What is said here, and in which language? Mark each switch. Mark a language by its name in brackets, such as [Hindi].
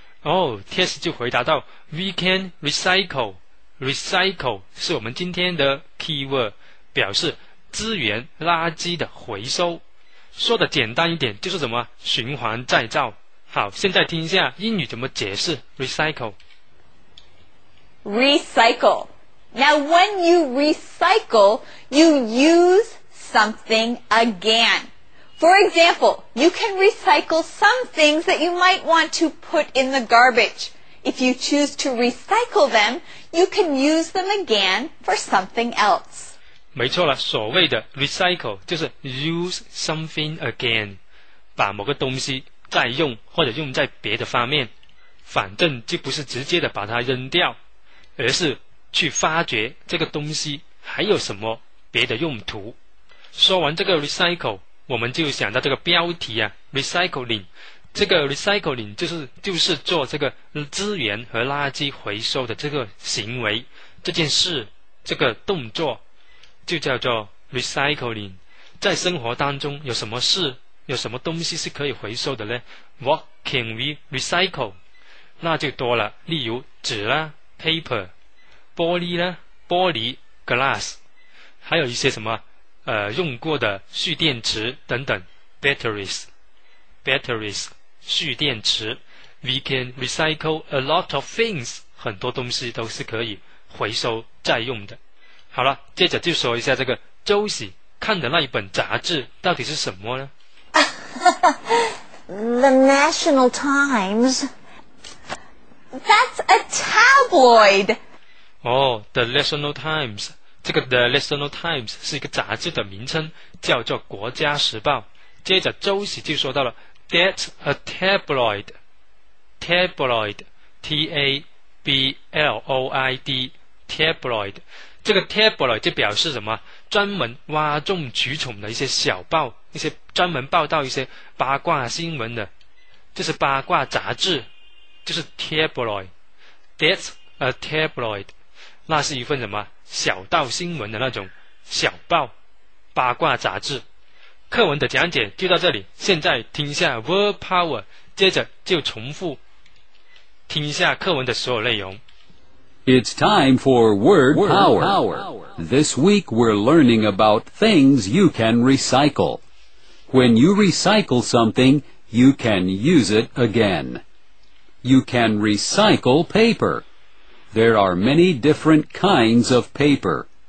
[Chinese] 哦，天使就回答到 [English] We can recycle. [Chinese] Recycle 是我们今天的 keyword， 表示资源垃圾的回收。说的简单一点就是什么循环再造。好，现在听一下英语怎么解释 recycle。 [English] Recycle. Now when you recycle, you use something again. For example, you can recycle some things that you might want to put in the garbage. If you choose to recycle them, you can use them again for something else. [Chinese] 没错了，所谓的 recycle 就是 [English] use something again， [Chinese] 把某个东西再用或者用在别的方面，反正就不是直接的把它扔掉，而是去发掘这个东西还有什么别的用途。说完这个 recycle， 我们就想到这个标题啊， recycling， 这个 recycling 就是做这个资源和垃圾回收的这个行为，这件事，这个动作就叫做 recycling。在生活当中有什么事，有什么东西是可以回收的呢？ [English] What can we recycle？ [Chinese] 那就多了，例如纸啦， paper， 玻璃啦，玻璃 glass， 还有一些什么用过的蓄电池等等， batteries 蓄电池。 [English] We can recycle a lot of things， [Chinese] 很多东西都是可以回收再用的。好了，接着就说一下这个周喜看的那一本杂志到底是什么呢？ [English] The National Times. That's a tabloid. [Chinese] 哦 ，The National Times， 这个 The National Times 是一个杂志的名称，叫做《国家时报》。接着周喜就说到了 ， [English] That's a tabloid. Tabloid, T-A-B-L-O-I-D, tabloid. [Chinese] 这个 tabloid 就表示什么？专门哗众取宠的一些小报，一些专门报道一些八卦新闻的，就是八卦杂志，就是 tabloid。 [English] That's a tabloid， [Chinese] 那是一份什么小道新闻的那种小报，八卦杂志。课文的讲解就到这里，现在听一下 word power， 接着就重复听一下课文的所有内容。 [English] It's time for Word Power. This week we're learning about things you can recycle. When you recycle something, you can use it again. You can recycle paper. There are many different kinds of paper.